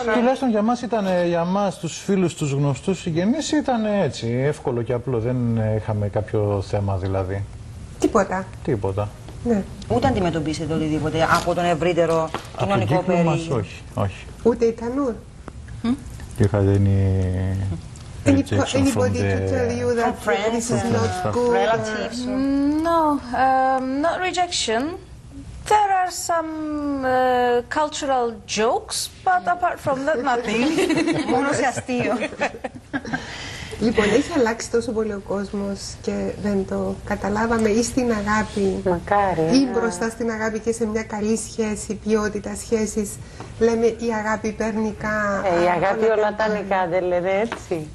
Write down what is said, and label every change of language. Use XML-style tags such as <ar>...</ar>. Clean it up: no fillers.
<el>Τουλάχιστον για μας ήταν, για μας τους φίλους, τους γνωστούς συγγενείς, ήταν έτσι, εύκολο και απλό. Δεν είχαμε κάποιο θέμα δηλαδή. Τίποτα. Ναι. Ούτε αντιμετωπίσετε οτιδήποτε από τον ευρύτερο κοινωνικό περίγυρο. Από μας, όχι. Ούτε η Τανούρ. Και είχατε είναι...</el> <en>Anybody to tell you that friends is not good? Relatives? No, not rejection. There are some cultural jokes, but apart from that, nothing.</en> <el>Μόνο σε αστείο. Λοιπόν, έχει αλλάξει τόσο πολύ ο κόσμος και δεν το καταλάβαμε, ή στην αγάπη, ή μπροστά στην αγάπη και σε μια καλή σχέση, ποιότητα σχέσης. Λέμε η αγάπη παίρνει κα... η αγάπη όλα τα νικά, δεν λένε έτσι?</el>